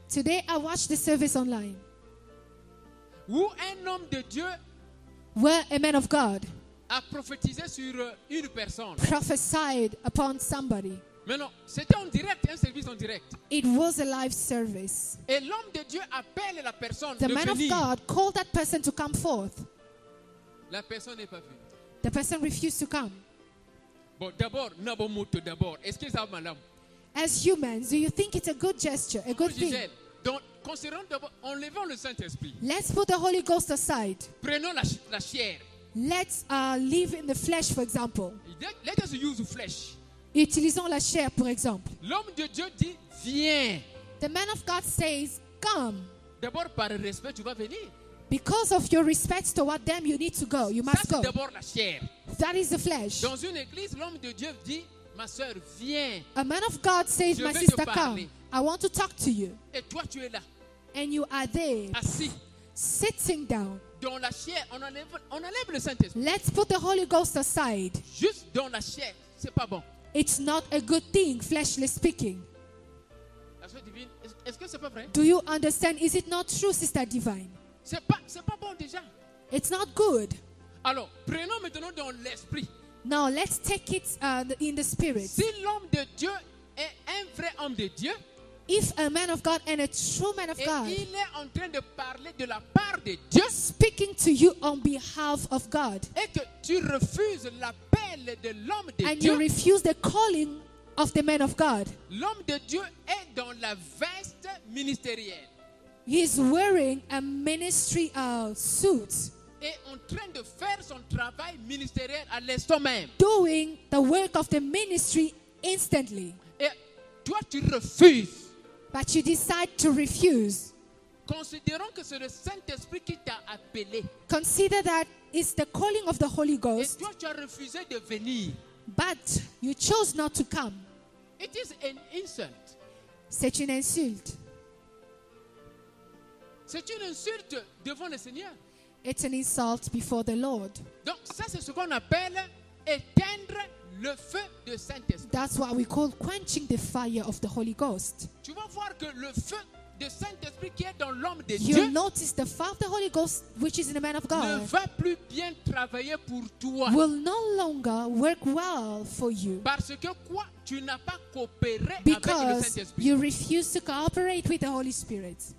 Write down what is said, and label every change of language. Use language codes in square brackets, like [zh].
[en] Today I watched the service online. [fr] Où un homme de Dieu [en] where a man of God [fr] a prophétisé sur une personne. [en] Prophesied upon somebody. [fr] Mais non, c'était en direct, un service en direct. [en] It was a live service. [fr] Et l'homme de Dieu appelle la personne [en] the [fr] de [en] man [fr] venir. [en] Of God called that person to come forth. [fr] La personne n'est pas venue. [en] The person refused to come. [fr] Bon, d'abord, Nabomoto, d'abord. Excusez-moi, madame. [en] As humans, do you think it's a good gesture, a good thing? [fr] Donc, considérons d'abord, enlevons le Saint-Esprit. [en] Let's put the Holy Ghost aside. [fr] Prenons la chair. [en] Let's live in the flesh, for example. Let us use the flesh. [fr] Utilisons la chair, pour exemple. L'homme de Dieu dit, viens. [en] The man of God says, come. [fr] D'abord, par respect, tu vas venir. [en] Because of your respect toward them, you need to go. You must [fr] ça, c'est [en] go. [fr] D'abord la chair. [en] That is the flesh. [fr] Dans une église, l'homme de Dieu dit, ma soeur, viens. [en] A man of God says, [fr] je [en] my sister, come. I want to talk to you. [fr] Et toi, tu es là. [en] And you are there. [fr] Assis. [en] Sitting down. [fr] Dans la chair, on enlève le Saint-Esprit. [en] Let's put the Holy Ghost aside. [fr] Juste dans la chair, c'est pas bon. [en] It's not a good thing, fleshly speaking. [fr] La soeur divine, est-ce que c'est pas vrai? [en] Do you understand? Is it not true, sister divine? [fr] C'est pas bon déjà. [en] It's not good. [fr] Alors, prenons maintenant dans l'esprit. [en] Now, let's take it in the spirit. [fr] Si l'homme de Dieu est un vrai homme de Dieu, [en] if a man of God and a true man of [fr] et [en] God [fr] il est en train de parler de la part de Dieu, [en] speaking to you on behalf of God, [fr] et que tu refuses l'appel de l'homme de [en] and [fr] Dieu, [en] you refuse the calling of the man of God, [fr] l'homme de Dieu est dans la veste ministérielle. [en] He is wearing a ministry suit. [fr] Est en train de faire son travail ministériel à l'instant même. [en] Doing the work of the ministry instantly. [fr] Et toi, tu refuses. [en] But you decide to refuse. [fr] Considérons que c'est le Saint-Esprit qui t'a appelé. [en] Consider that it's the calling of the Holy Ghost. [fr] Et toi, tu as refusé de venir. [en] But you chose not to come. It is an insult. [fr] C'est une insulte. C'est une insulte devant le Seigneur. [en] It's an insult before the Lord. [fr] Donc ça c'est ce qu'on appelle éteindre le feu de Saint-Esprit. [en] That's what we call quenching the fire of the Holy Ghost. [fr] Tu vas voir que le feu de Saint-Esprit qui est dans l'homme de [en] you [fr] Dieu. [en] You notice the fire of the Holy Ghost which is in the man of God. [fr] Ne va plus bien travailler pour toi. [en] Will no longer work well for you. [fr] Parce que quoi? Tu n'as pas coopéré [en] because [fr] avec le Saint-Esprit. [en] You refuse to cooperate with the Holy Spirit.